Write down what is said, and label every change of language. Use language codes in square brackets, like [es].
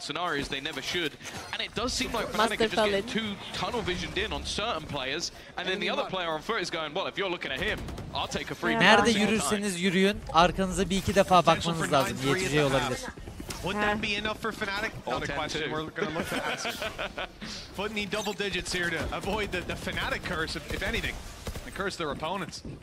[en] scenarios they never should, and it does seem like Fnatic are just getting too tunnel visioned in on certain players, and then the other player on foot is going, well, if you're looking at him, I'll take a free. [tr] Nerede yürürseniz yürüyün, arkanıza bir iki defa bakmanız lazım. [en] Yetici olabilir. Would that be enough for Fnatic? Not a question we're going to look to answer. Foot need double digits here to avoid the Fnatic curse, if anything, the curse their opponents.